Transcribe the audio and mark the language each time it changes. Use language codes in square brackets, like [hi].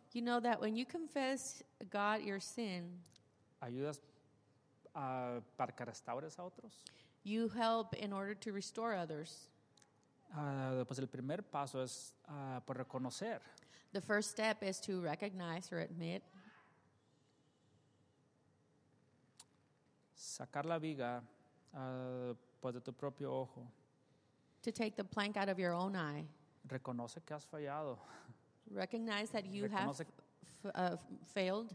[en] you know that when you confess God your sin, [es] ayudas para que restaures a otros. [en] You help in order to restore others. [es] Pues el primer paso es por reconocer. [en] The first step is to recognize or admit. [es] Sacar la viga pues de tu propio ojo. [en] To take the plank out of your own eye. [es] Reconoce que has fallado. [en] Recognize that you have failed.